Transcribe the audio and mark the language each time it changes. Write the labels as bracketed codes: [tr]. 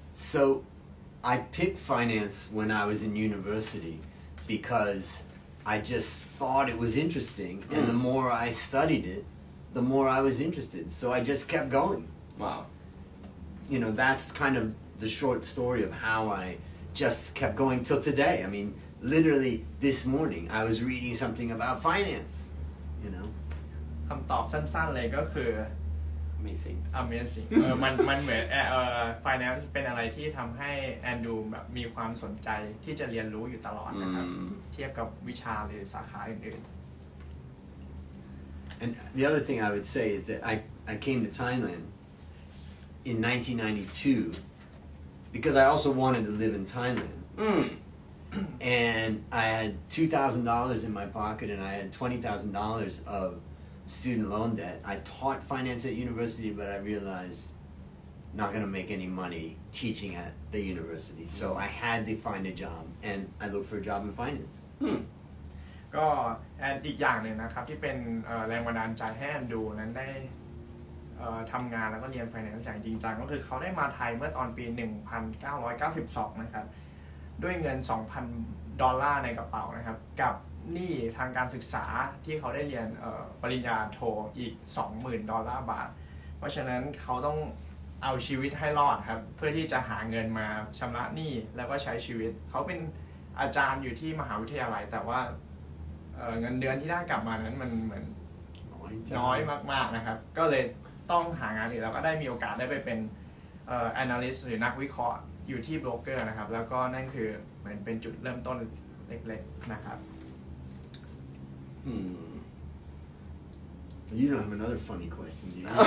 [en] SoI picked finance when I was in university because I just thought it was interesting and the more I studied it, the more I was interested. So I just kept going. Wow. You know, that's kind of the short story of how I just kept going till today. I mean, literally this morning I was reading something about finance, you know. [th] คำตอบสั้นๆเลยก็คือ [en] Amazing. [th] มันเหมือน finance เป็นอะไรที่ทำให้แอนดูแบบมีความสนใจที่จะเรียนรู้อยู่ตลอดนะครับเทียบกับวิชาหรือสาขาอื่น [en] ๆ And the other thing I would say is that I came to Thailand in 1992 because I also wanted to live in Thailand. And I had $2,000 in my pocket and I had $20,000 ofstudent loan debt. I taught finance at university, but I realized not going to make any money teaching at the university. So I had to find a job, and I looked for a job in finance. [th] ก็แอนอีกอย่างหนึ่งนะครับที่เป็นแรงบันดาลใจให้แอนดูนั้นได้ทำงานแล้วก็เรียน finance อย่างจริงจังก็คือเขาได้มาไทยเมื่อตอนปี1992นะครับด้วยเงิน $2,000ในกระเป๋านะครับกับนี่ทางการศึกษาที่เขาได้เรียนปริญญาโทอีก $20,000เพราะฉะนั้นเขาต้องเอาชีวิตให้รอดครับเพื่อที่จะหาเงินมาชำระหนี้แล้วก็ใช้ชีวิตเขาเป็นอาจารย์อยู่ที่มหาวิทยาลัยแต่ว่าเงินเดือนที่ได้กลับมานั้นมันเหมือน น้อยมากๆนะครับก็เลยต้องหางานหรือแล้วก็ได้มีโอกาสได้ไปเป็นanalyst หรือนักวิเคราะห์อยู่ที่โบรกเกอร์นะครับแล้วก็นั่นคือเหมือนเป็นจุดเริ่มต้นเล็กๆนะครับ [en] You don't have another funny question, do you?